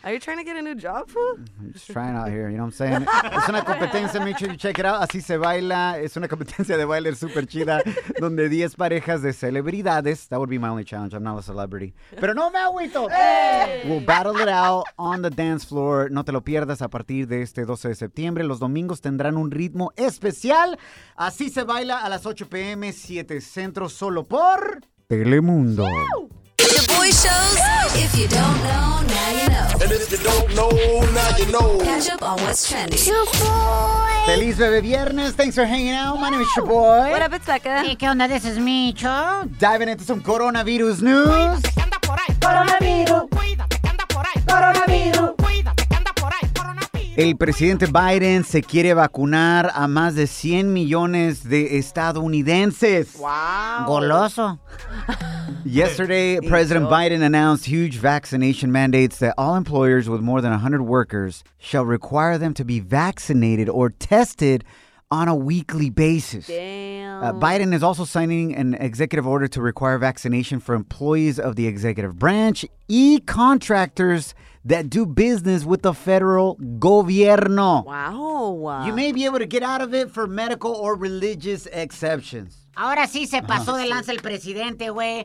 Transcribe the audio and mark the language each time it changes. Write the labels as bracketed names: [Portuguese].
[English] Are you trying to get a new job, fool? I'm just trying out here, you know what I'm saying? [Spanish] Es una competencia, [English] make sure you check it out. [Spanish] Así Se Baila. Es una competencia de baile super chida, donde 10 parejas de celebridades, [English] that would be my only challenge. I'm not a celebrity. [Spanish] Pero no me agüito. [English] We'll battle it out on the dance floor. [Spanish] No te lo pierdas a partir de este 12 de septiembre. Los domingos tendrán un ritmo especial. Así se baila a las 8 p.m. 7 Centro solo por Telemundo. [English] The Boy Shows. If you don't know, now you know. And if you don't know, now you know. Catch up on what's trending. Your boy. [Spanish] Feliz Bebe Viernes. [English] Thanks for hanging out. My name is your boy. What up, it's Becca. Hey, [Spanish] ¿qué onda? [English] This is Micho. Diving into some coronavirus news. [Spanish] Cuídate que anda por ahí. Coronavirus. Cuídate que anda por ahí. Coronavirus. El presidente Biden se quiere vacunar a más de 100 millones de estadounidenses. ¡Wow! ¡Goloso! [English] Yesterday, President Biden announced huge vaccination mandates that all employers with more than 100 workers shall require them to be vaccinated or tested on a weekly basis. Damn. Biden is also signing an executive order to require vaccination for employees of the executive branch, e-contractors that do business with the federal gobierno. Wow. You may be able to get out of it for medical or religious exceptions. [Spanish] Ahora sí se pasó de lanza el presidente, güey.